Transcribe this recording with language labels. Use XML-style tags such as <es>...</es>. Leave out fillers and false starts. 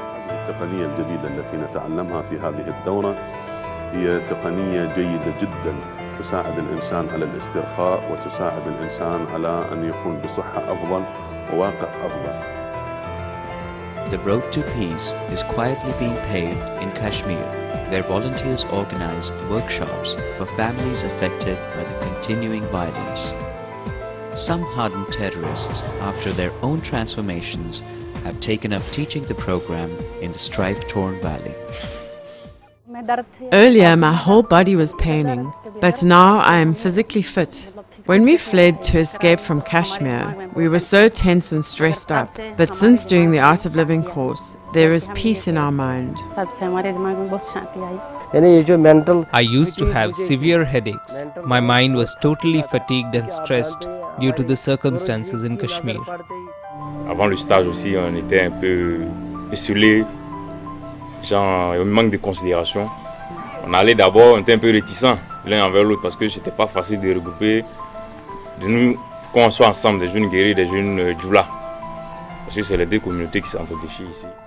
<ar>التقنية الجديدة التي نتعلمها في هذه الدورة هي تقنية جيدة جدا تساعد الإنسان على الاسترخاء وتساعد الإنسان على أن يكون بصحة أفضل وواقع أفضل.</ar> <en>The road to peace is quietly being paved in Kashmir, where volunteers organize workshops for families affected by the continuing violence. Some hardened terrorists, after their own transformations, have taken up teaching the program in the strife-torn valley. Earlier, my whole body was paining, but now I am physically fit. When we fled to escape from Kashmir, we were so tense and stressed up. But since doing the Art of Living course, there is peace in our mind. I used to have severe headaches. My mind was totally fatigued and stressed due to the circumstances in Kashmir.</en> <fr>Avant le stage aussi, on était un peu essoulé, genre il manque de considération. On allait d'abord, on était un peu réticent l'un envers l'autre parce que c'était pas facile de regrouper, de nous qu'on soit ensemble, des jeunes guéris, des jeunes djoula, parce que c'est les deux communautés qui s'entretiennent ici.</fr>